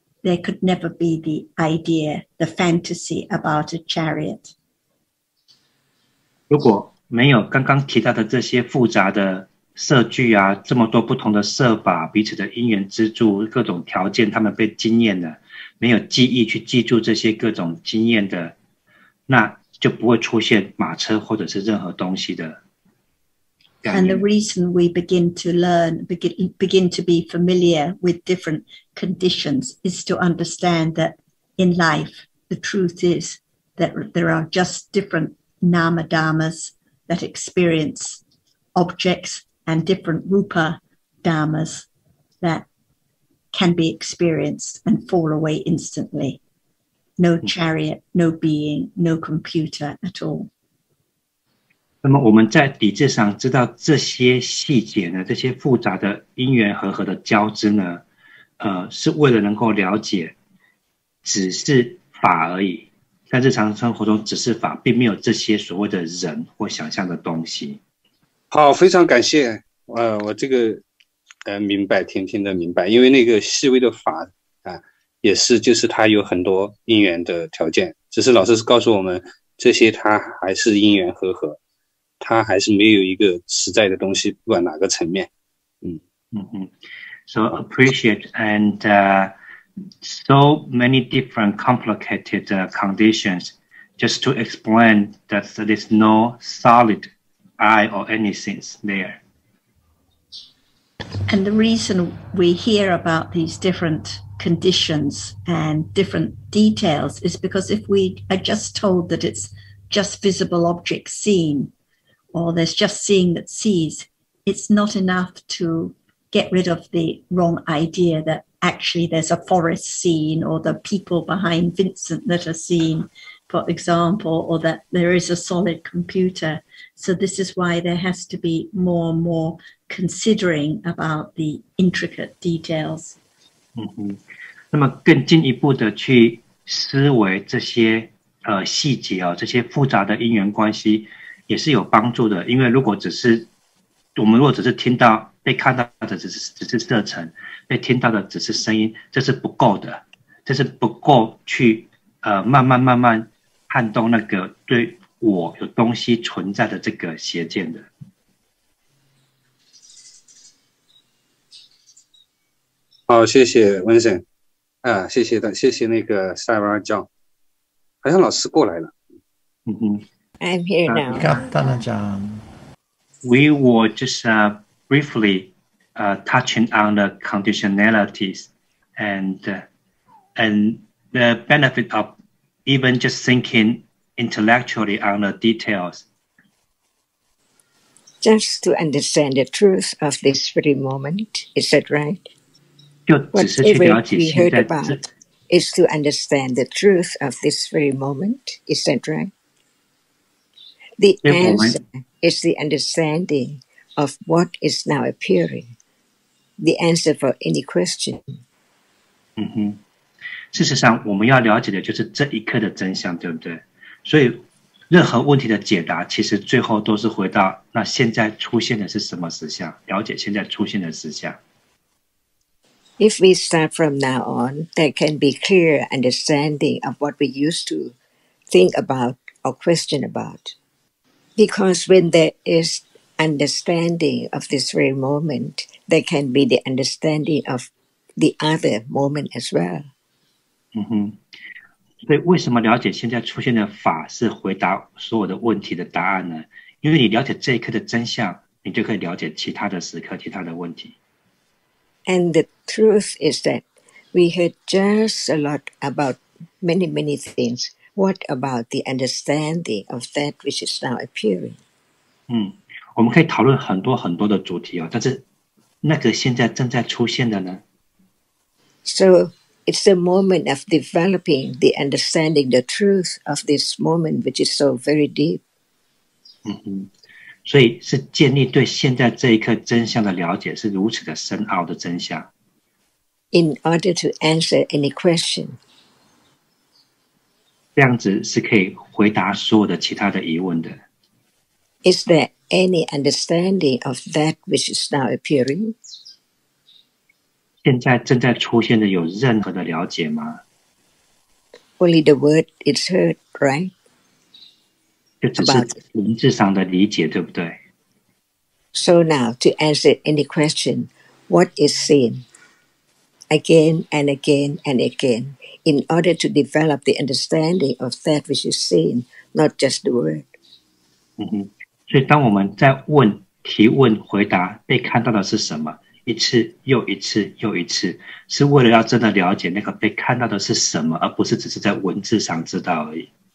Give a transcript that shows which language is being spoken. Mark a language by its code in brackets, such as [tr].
[en] There could never be the idea, the fantasy about a chariot. [zh] 如果没有刚刚提到的这些复杂的色聚啊，这么多不同的色法，彼此的因缘支柱，各种条件，他们被惊艳的，没有记忆去记住这些各种经验的，那就不会出现马车或者是任何东西的。 [en] And the reason we begin to learn, begin to be familiar with different conditions is to understand that in life, the truth is that there are just different nama dharmas that experience objects and different rupa dharmas that can be experienced and fall away instantly. No chariot, no being, no computer at all. [zh] 那么我们在理智上知道这些细节呢，这些复杂的因缘和合的交织呢，是为了能够了解，只是法而已。在日常生活中，只是法，并没有这些所谓的人或想象的东西。好，非常感谢。我这个明白，天天的明白，因为那个细微的法啊，也是就是它有很多因缘的条件，只是老师是告诉我们，这些它还是因缘和合。它还是没有一个实在的东西，不管哪个层面。 [en] So appreciate and so many different complicated conditions. Just to explain that there is no solid I or anything there. And the reason we hear about these different conditions and different details is because if we are just told that it's just visible objects seen. or there's just seeing that sees, it's not enough to get rid of the wrong idea that actually there's a forest scene or the people behind Vincent that are seen, for example, or that there is a solid computer. So this is why there has to be more and more considering about the intricate details. [zh] 嗯哼，那么更进一步的去思维这些细节啊，这些复杂的因缘关系也是有帮助的。因为如果只是我们如果只是听到被看到的只是色尘，被听到的只是声音，这是不够的，这是不够去慢慢撼动那个对我有东西存在的这个邪见的。好，谢谢文森，啊，谢谢的，谢谢那个塞巴酱，好像老师过来了。 [en] I'm here now. [zh] 你看，丹娜酱。 [en] We were just briefly touching on the conditionalities and the benefit of even just thinking intellectually on the details. Just to understand the truth of this very moment, is that right? Whatever we heard about is to understand the truth of this very moment, is that right? The answer is the understanding of what is now appearing, the answer for any question. [zh] 嗯哼，事实上我们要了解的就是这一刻的真相，对不对？所以任何问题的解答其实最后都是回到那现在出现的是什么实相，了解现在出现的实相。 [en] If we start from now on, there can be clear understanding of what we used to think about or question about. Because when there is understanding of this very moment, there can be the understanding of the other moment as well. [zh] 嗯哼，所以为什么了解现在出现的法是回答所有的问题的答案呢？因为你了解这一刻的真相，你就可以了解其他的时刻、其他的问题。 [en] And the truth is that we heard just a lot about many, many things. What about the understanding of that which is now appearing? [zh] 嗯，我们可以讨论很多很多的主题啊，但是那个现在正在出现的呢？ [en] So it's the moment of developing the understanding, the truth of this moment, which is so very deep. 嗯嗯。 [zh] 所以是建立对现在这一刻真相的了解是如此的深奥的真相。 [en] In order to answer any question. [zh] 这样子是可以回答所有的其他的疑问的。 [en] Is there any understanding of that which is now appearing? [zh] 现在正在出现的有任何的了解吗？ [en] Only the word is heard, right? [zh] 就只是文字上的理解，对不对？ [en] So now, to answer any question, what is seen? Again and again and again, in order to develop the understanding of that which is seen, not just the word. [zh] 嗯，所以当我们在问、提问、回答被看到的是什么，一次又一次又一次，是为了要真的了解那个被看到的是什么，而不是只是在文字上知道而已。